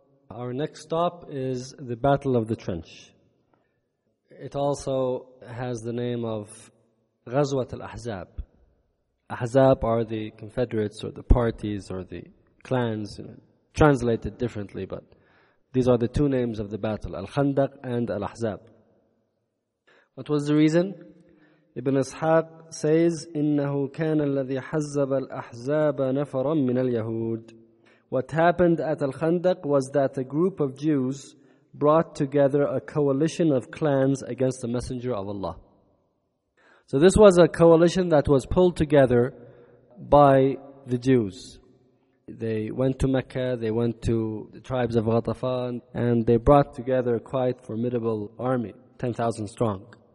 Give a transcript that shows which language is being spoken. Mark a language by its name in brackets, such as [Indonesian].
[English] Our next stop is the Battle of the Trench. It also has the name of Ghazwat al-Ahzab. Ahzab are the confederates or the parties or the clans, you know, translated differently, but These are the two names of the battle, Al-Khandaq and Al-Ahzab. What was the reason? [Arabic] Ibn Ishaq [English] says, [Arabic] إِنَّهُ كَانَ الَّذِي حَزَّبَ الْأَحْزَابَ نَفَرًا مِّنَ الْيَهُودِ. [English] What happened at Al-Khandaq was that a group of Jews brought together a coalition of clans against the Messenger of Allah. So this was a coalition that was pulled together by the Jews. They went to Mecca, they went to the tribes of Ghatafan, and they brought together a quite formidable army, 10,000 strong.